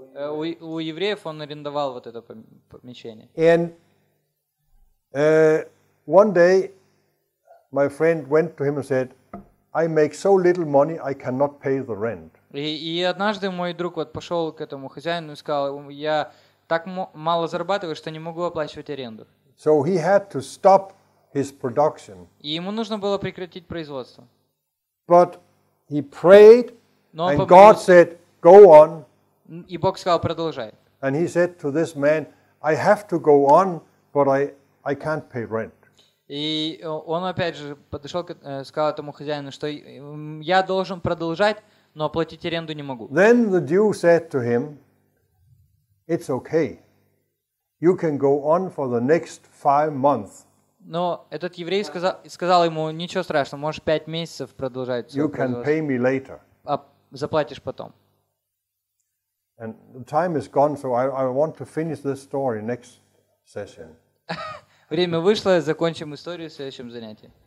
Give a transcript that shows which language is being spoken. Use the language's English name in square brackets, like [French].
[Russian] У евреев он арендовал вот это помещение. [English] And one day, my friend went to him and said, "I make so little money, I cannot pay the rent." [Russian] И однажды мой друг вот пошел к этому хозяину и сказал: "Я так мало зарабатываю, что не могу оплачивать аренду." [English] So he had to stop his production. [Russian] И ему нужно было прекратить производство. [English] But he prayed, and God said, "Go on." [Russian] И Бог сказал: "Продолжай." [English] And he said to this man, "I have to go on, but I can't pay rent." [Russian] И он опять же подошел, сказал этому хозяину, что я должен продолжать, но оплатить аренду не могу. [English] Then the Jew said to him, "It's okay. You can go on for the next 5 months." [Russian] Но этот еврей сказал ему: "Ничего страшного, можешь 5 месяцев продолжать свое производство. [English] You can pay me later." [Russian] А заплатишь потом. [English] And the time is gone, so I want to finish this story next session. [Russian] Время вышло, закончим историю в следующем занятии.